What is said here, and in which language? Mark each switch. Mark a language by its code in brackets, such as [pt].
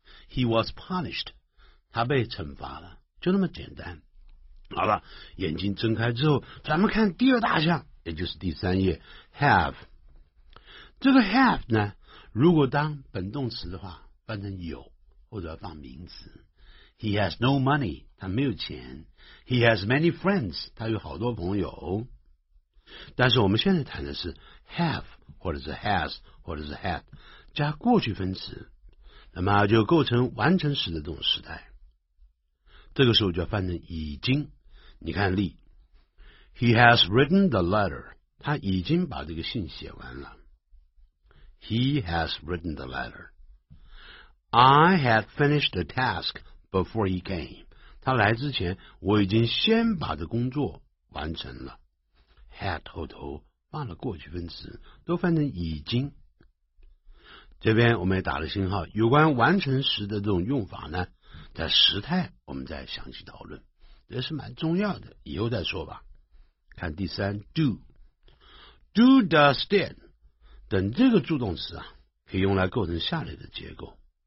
[en] He was punished， [zh] 他被惩罚了，就那么简单。好了，眼睛睁开之后，咱们看第二大项，也就是第三页 have。这个 have 呢，如果当本动词的话，翻成有，或者要放名词。 [en] He has no money， [zh] 他没有钱。 [en] He has many friends， [zh] 他有好多朋友。但是我们现在谈的是 have 或者是 has 或者是 had 加过去分词，那么就构成完成时的这种时态。这个时候就要翻成已经。你看例 ， [en] He has written the letter， [zh] 他已经把这个信写完了。 [en] He has written the letter。 I had finished the task before he came， [zh] 他来之前我已经先把这工作完成了。 Had 后头放了过去分词，都翻成已经。这边我们也打了星号，有关完成时的这种用法呢，在时态我们再详细讨论，这是蛮重要的，以后再说吧。看第三 do does did 等这个助动词啊，可以用来构成下列的结构。